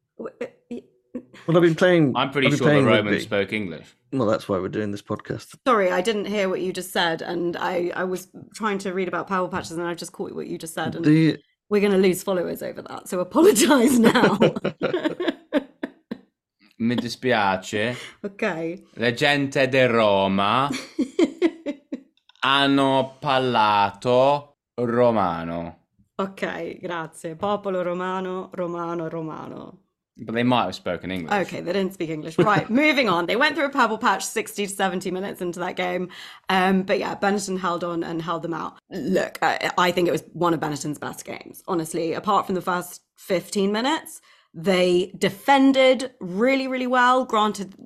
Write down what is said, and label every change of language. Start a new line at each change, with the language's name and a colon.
English: Well, I've been playing. I'm pretty sure the Romans spoke English. Well, that's why we're doing this podcast. Sorry, I didn't hear what you just said, and I was trying to read about purple patches, and I just caught what you just said, and we're going to lose followers over that, so apologise now.
Italian: Mi dispiace.
English: Okay.
Italian: La gente de Roma hanno parlato romano. Okay, grazie. Popolo romano, romano, romano.
English: But they might have spoken English. Okay, they didn't speak English. Right, moving on. They went through a purple patch 60 to 70 minutes into that game. But yeah, Benetton held on and held them out. Look, I think it was one of Benetton's best games, honestly. Apart from the first 15 minutes, they defended really, really well. Granted,